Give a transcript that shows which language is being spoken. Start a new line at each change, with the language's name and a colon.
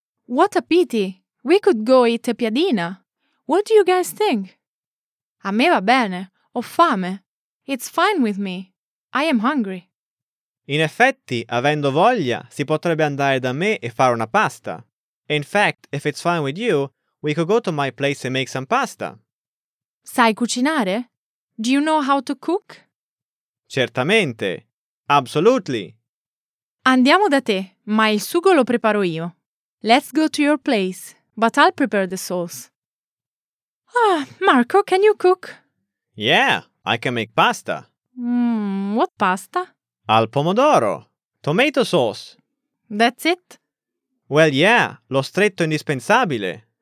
English: What a pity. We could go eat a piadina. What do you guys think?
Italian: A me va bene. Ho fame.
English: It's fine with me. I am hungry.
Italian: In effetti, avendo voglia, si potrebbe andare da me e fare una pasta.
English: In fact, if it's fine with you, we could go to my place and make some pasta.
Italian: Sai cucinare?
English: Do you know how to cook?
Italian: Certamente.
English: Absolutely.
Italian: Andiamo da te, ma il sugo lo preparo io.
English: Let's go to your place, but I'll prepare the sauce. Ah, Marco, can you cook? Yeah, I can make pasta. What pasta?
Italian: Al pomodoro.
English: Tomato sauce. That's it? Well, yeah,
Italian: lo stretto indispensabile.